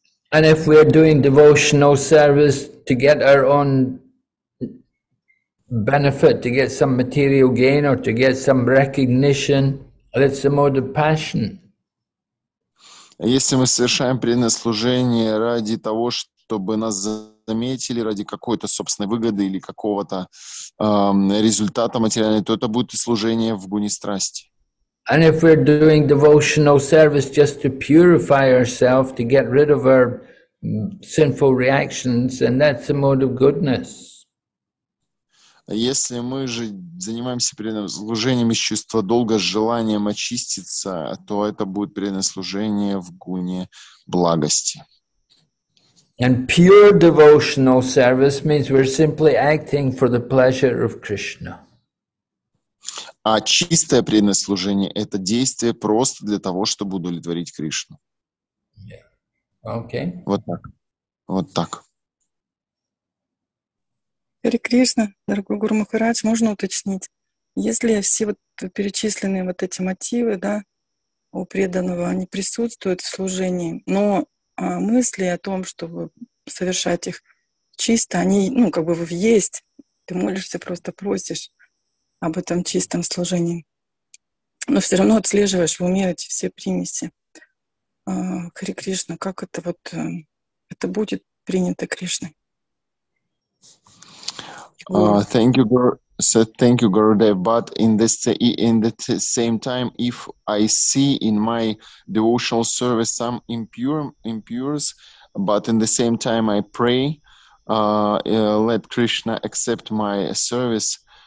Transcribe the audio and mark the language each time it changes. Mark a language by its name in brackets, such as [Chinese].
[English] And if we are doing devotional service to get our own benefit, to get some material gain or to get some recognition, that's a mode of passion. [Russian] Если мы совершаем преданное служение ради того, чтобы нас заметили ради какой-то собственной выгоды или какого-то результата материального, то это будет служение в гуне страсти. [English] And if we're doing devotional service just to purify ourselves, to get rid of our sinful reactions, then that's a mode of goodness. [Russian] Если мы же занимаемся преданным служением из чувства долга, с желанием очиститься, то это будет преданное служение в гуне благости. [English] And pure devotional service means we're simply acting for the pleasure of Krishna. [Russian] А чистое преданное служение — это действие просто для того, чтобы удовлетворить Кришну. [English] Okay. [Russian] Вот так. Хари Кришна, дорогой Гуру Махарадж, можно уточнить, если все вот перечисленные вот эти мотивы, да, у преданного, они присутствуют в служении, но мысли о том, чтобы совершать их, чисто, они, ну, как бы есть. Ты молишься, просто просишь об этом чистом служении. Но все равно отслеживаешь в уме эти все примеси. Хари Кришна, как это вот, это будет принято Кришной? [English] Thank you, Gurudev. But in the same time, if I see in my devotional service some impures, but in the same time I pray, let Krishna accept my service.